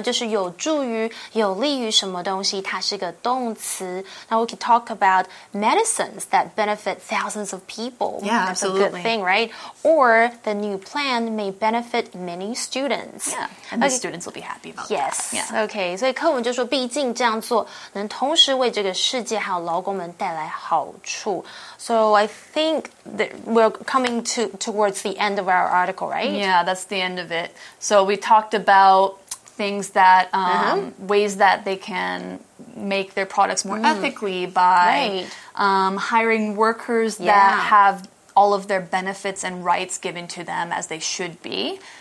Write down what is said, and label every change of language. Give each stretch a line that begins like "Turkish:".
Chinese: 就是有助于、有利于什么东西。它是个动词。
English: Now we can talk about medicines that benefit thousands of people. Yeah, that's absolutely. That's a good thing, right? Or the new plan may benefit many students. Yeah, and the students will be happy about yes. that. Yes,、yeah. okay.
Chinese: 所以课文就说毕竟这样做能同时为这个世界还有劳工们带来好处。
English: So I think that we're coming towards the end of our article, right? Yeah, that's the end of it. So we talked about things that, ways that they can... make their products more ethically by hiring workers that have all of their benefits and rights given to them as they should be.